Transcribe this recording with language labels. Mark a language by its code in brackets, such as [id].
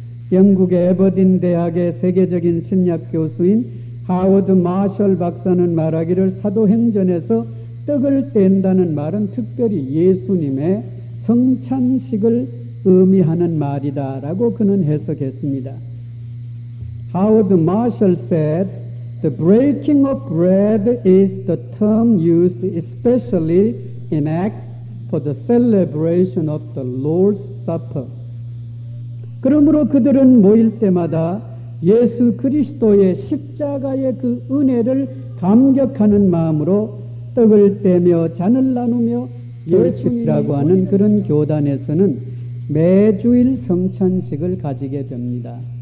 [ko] 영국의 에버딘 대학의 세계적인 신약 교수인 하워드 마셜 박사는 말하기를 사도행전에서 떡을 뗀다는 말은 특별히 예수님의 성찬식을 의미하는 말이다 라고 그는 해석했습니다. [en] Howard Marshall said, The breaking of bread is the term used especially in Acts for the celebration of the Lord's Supper. [ko] 그러므로 그들은 모일 때마다 예수 그리스도의 십자가의 그 은혜를 감격하는 마음으로 떡을 떼며 잔을 나누며 예식이라고 하는 그런 교단에서는 매주일 성찬식을 가지게 됩니다.